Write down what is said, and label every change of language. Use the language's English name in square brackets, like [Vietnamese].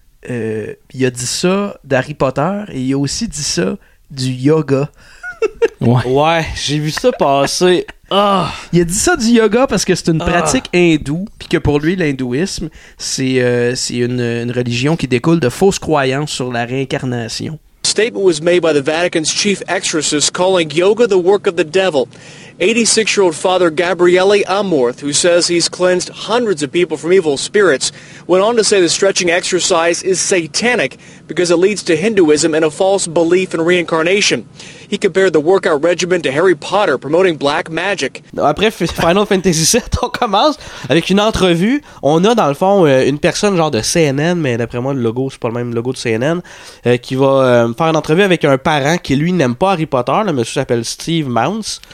[French] Il a dit ça d'Harry Potter et il a aussi dit ça du yoga. Ouais, j'ai vu ça passer. Oh. Il a dit ça du yoga parce que c'est une pratique hindoue, puis que pour lui, l'hindouisme, c'est une religion qui découle de fausses croyances sur la réincarnation. [English] Statement was made by the Vatican's chief exorcist calling yoga the work of the devil. 86-year-old Father Gabriele Amorth, who says he's cleansed hundreds of people from evil spirits, went on to say the stretching exercise is satanic because it leads to Hinduism and a false belief in reincarnation. He compared the workout regimen to Harry Potter promoting black magic. [French] Après Final Fantasy VII, on commence avec une entrevue. On a dans le fond une personne genre de CNN, mais d'après moi le logo c'est pas le même logo de CNN, qui va faire une entrevue avec un parent qui lui n'aime pas Harry Potter. Le monsieur s'appelle Steve Mounts.